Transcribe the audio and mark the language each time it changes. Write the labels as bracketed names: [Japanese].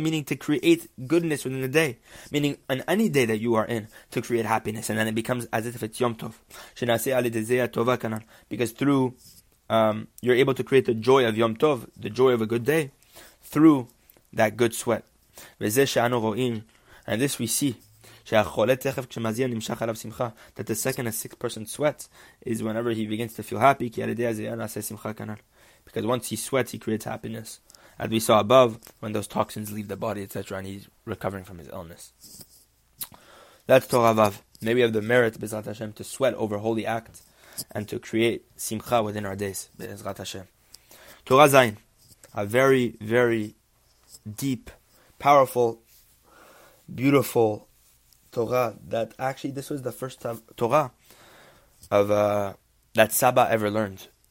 [English] Meaning to create goodness within the day. Meaning on any day that you are in to create happiness. And then it becomes as if it's yom tov. Because through you're able to create the joy of Yom Tov, the joy of a good day, through that good sweat. [Hebrew] וזה שאנו רואים, [English] and this we see, [Hebrew] שהחולה תכף כשמזיע נמשך עליו שמחה, [English] that the second a sick person sweats is whenever he begins to feel happy, [Hebrew] כי על ידי הזיעה נעשה שמחה כנ"ל. [English] Because once he sweats, he creates happiness. As we saw above, when those toxins leave the body, etc., and he's recovering from his illness. That's Torah Vav. May we have the merit, Bezrat Hashem, to sweat over holy acts and to create simcha within our days, Bezrat Hashem. Torah Zayin, a very, very deep, powerful, beautiful Torah that actually this was the first Torah of that Saba ever learned.